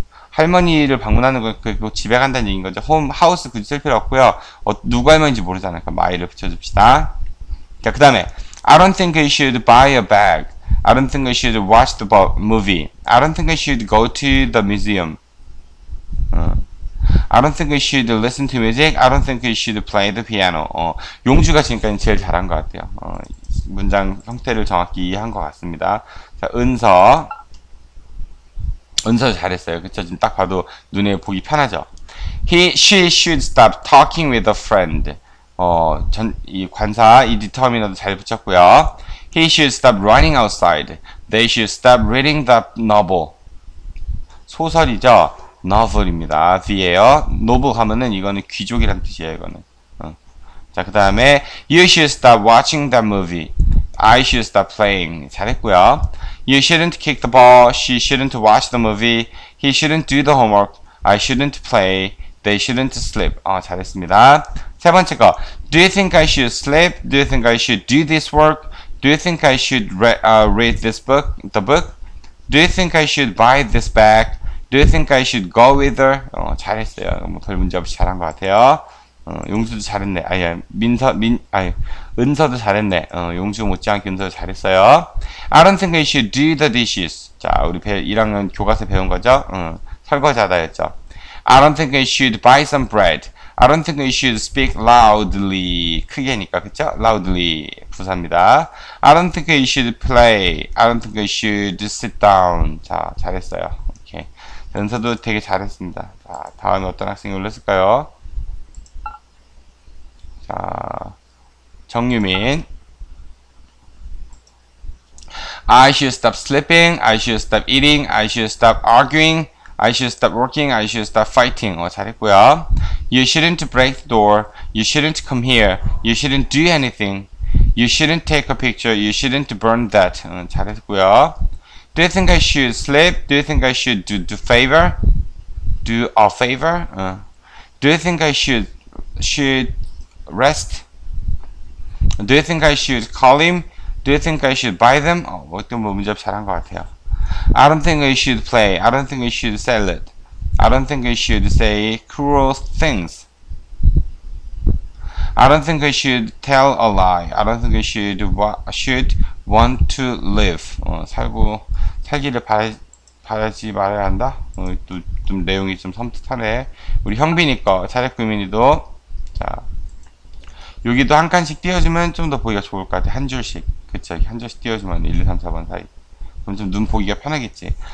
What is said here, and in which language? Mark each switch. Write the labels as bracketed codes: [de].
[ko] 할머니를 방문하는 건그 집에 간다는 얘기인 거죠. 홈 하우스 굳이 쓸 필요 없고요. 누구 할머니인지 모르잖아요. 그럼 my를 붙여줍시다. [en] 자, 그 다음에 I don't think I should buy a bag. I don't think I should watch the movie. I don't think I should go to the museum. I don't think I should listen to music. I don't think I should play the piano. [ko] 용주가 지금까지 제일 잘한 것 같아요. 문장 형태를 정확히 이해한 것 같습니다. 자, 은서. 은서 잘했어요. 그쵸? 지금 딱 봐도 눈에 보기 편하죠? [en] She should stop talking with a friend. [ko] 이 관사, 이 determiner도 잘 붙였고요. [en] He should stop running outside. They should stop reading that novel. [ko] 소설이죠? [en] novel입니다. v예요. [ko] novel 하면은 이거는 귀족이란 뜻이에요, 이거는. 자, 그 다음에 [en] You should stop watching that movie. I should stop playing. [ko] 잘했고요. [en] You shouldn't kick the ball. She shouldn't watch the movie. He shouldn't do the homework. I shouldn't play. They shouldn't sleep. [ko] 잘했습니다. 세 번째 거. [en] Do you think I should sleep? Do you think I should do this work? Do you think I should read this book, the book? Do you think I should buy this bag? Do you think I should go with her? [ko] 잘했어요. 뭐별 문제 없이 잘한 것 같아요. 용수도 잘했네. 아니, 민서, 민, 아니, 은서도 잘했네. 용수 못지않게 은서도 잘했어요. [en] I don't think I should do the dishes. [ko] 자, 우리 1학년 교과서 배운 거죠? 설거지하다였죠. [en] I don't think I should buy some bread. I don't think I should speak loudly. [ko] 크게니까, 그쵸? [en] loudly. [ko] 부사입니다. [en] I don't think I should play. I don't think I should sit down. [ko] 자, 잘했어요. 오케이. 연서도 되게 잘했습니다. 자, 다음에 어떤 학생이 올랐을까요? 자, 정유민. [en] I should stop sleeping. I should stop eating. I should stop arguing. I should stop working. I should stop fighting. [ko] 잘했고요. [en] You shouldn't break the door. You shouldn't come here. You shouldn't do anything. You shouldn't take a picture. You shouldn't burn that. [ko] 잘했고요. [en] Do you think I should sleep? Do you think I should do favor? Do a favor? Do you think I should rest? Do you think I should call him? Do you think I should buy them? [ko] 어떤 문제 잘한 것 같아요. [en] I don't think I should play. I don't think I should sell it. I don't think I should say cruel things. I don't think I should tell a lie. I don't think I should want to live. [ko] 살기를 바라지 말아야 한다. 좀 내용이 좀 섬뜩하네. 우리 형빈이 거, 차례구민이도. 자, 여기도 한 칸씩 띄워주면 좀더 보기가 좋을 것 같아. 한 줄씩. 그쵸? 한 줄씩 띄워주면 1, 2, 3, 4번 사이. 그럼 좀눈 보기가 편하겠지.